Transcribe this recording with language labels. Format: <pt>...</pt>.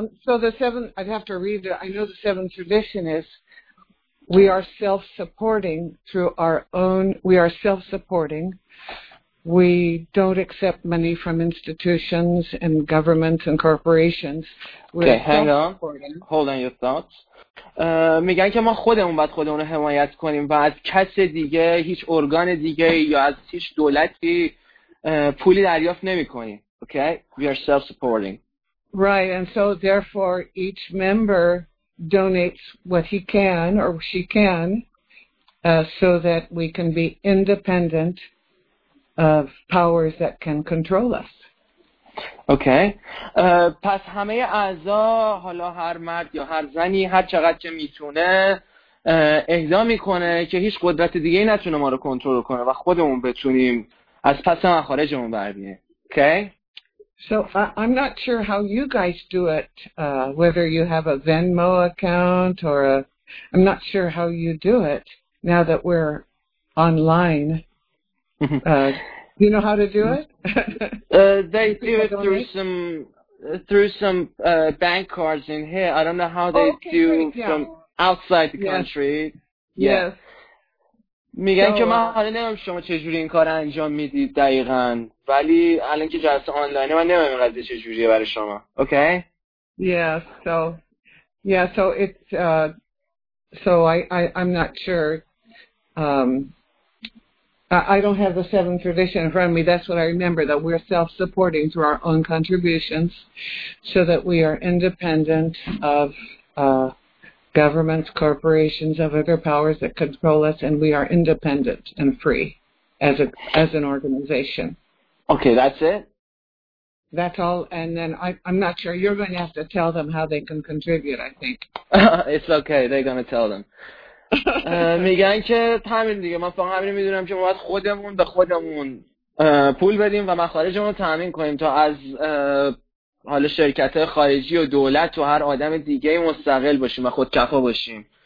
<en>So the seven, I'd have to read it. I know the seventh tradition is, we are self-supporting through our own, we are self-supporting. We don't accept money from institutions and governments and corporations. We're okay, hang on. Hold on your thoughts.</en> <fa>میگن که ما خودمون باید خودمون رو حمایت کنیم و از کس دیگه، هیچ ارگان دیگه یا از هیچ دولتی پولی دریافت نمی کنیم.</fa> <en>Okay? We are self-supporting. Right, and so therefore each member donates what he can or she can so that we can be independent of powers that can control us. Okay.</en> <fa>پس همه اعضا، حالا هر مرد یا هر زنی، هر چقدر که میتونه اهدا میکنه که هیچ قدرت دیگه نتونه ما رو کنترل کنه و خودمون بتونیم از پس مخارجمون بردیم.</fa> <en>Okay. So I'm not sure how you guys do it, whether you have a Venmo account or a... I'm not sure how you do it now that we're online. Do you know how to do it? They do it through some bank cards in here. I don't know how they do from outside the country. Yes.</en> <fa>میگن که من حالا نمیدونم شما چجوری این کار انجام میدید دقیقاً، ولی الان که جلسه آنلاینه من نمیدونم قضیه چجوریه برای شما.</fa> <en>Okay. Yeah, so I'm not sure. I don't have the seventh tradition in front of me. That's what I remember, that we're self-supporting through our own contributions so that we are independent of governments, corporations, of other powers that control us, and we are independent and free as a as an organization. Okay, that's it? That's all, and then I'm not sure. You're going to have to tell them how they can contribute, I think. It's okay. They're going to tell them.</en> <fa>میگن که تامین دیگه، ما فقط همین میدونم که ما باید خودمون به خودمون پول بدیم و مخارجمون رو تامین کنیم تا از حالا شرکت خارجی و دولت و هر آدم دیگه مستقل باشیم و خودکفا باشیم.</fa>